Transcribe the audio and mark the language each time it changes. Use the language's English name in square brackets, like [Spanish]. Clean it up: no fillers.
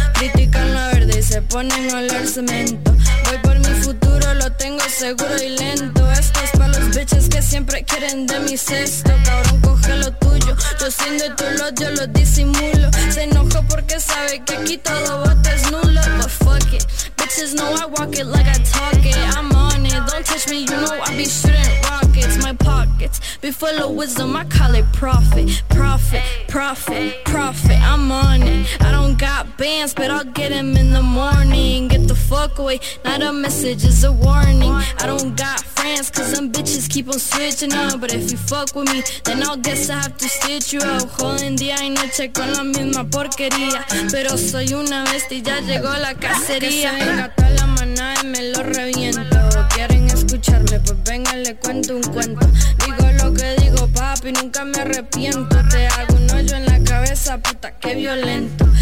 [Spanish] Critican la verde y se ponen a oler cemento. Voy por mi futuro, lo tengo seguro y lento. Esto es pa' los bitches que siempre quieren de mi cesto. Cabrón, coge lo tuyo. Yo siendo tu lot, yo lo disimulo. Se enojo porque sabe que aquí todo voto es nulo. [English] But fuck it, bitches know I walk it like I talk it. I'm on it, don't touch me, you know I be shooting rockets. My pockets be full of wisdom, I call it profit. Profit, profit, profit, I'm on it. I don't got bands, but I'll get them in the morning. Get the fuck away, not a message, it's a warning. I don't got friends, cause them bitches keep on switching up. But if you fuck with me, then I'll guess I have to stitch you up. [Spanish] Joden día y noche con la misma porquería. Pero soy una bestia y ya llegó la cacería. Que se venga toda la manada y me lo reviento. Quieren escucharme, pues venga, le cuento un cuento. Digo lo que digo, papi, nunca me arrepiento. Te hago un hoyo en la cabeza, puta, qué violento.